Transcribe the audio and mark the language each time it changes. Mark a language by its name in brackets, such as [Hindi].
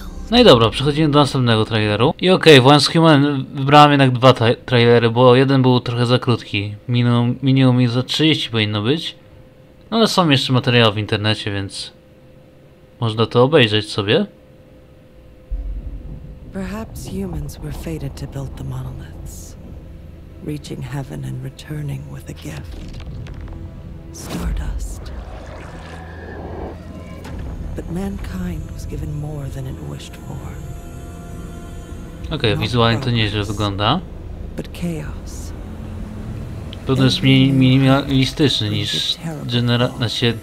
[Polish] No i dobra, przechodzimy do następnego traileru. I okej, okay, w Once Human wybrałem jednak dwa trailery, bo jeden był trochę za krótki. Minimum mi za 30 powinno być. No ale są jeszcze materiały w internecie, więc... Można to obejrzeć sobie. [English] Perhaps humans were fated to build the monoliths, reaching heaven and returning with a gift. Stardust. But mankind was given more than it wished for. [Polish] Okej, wizualnie to nieźle wygląda. [English] But chaos. [Polish] Pewnie jest mniej minimalistyczny niż generalna się...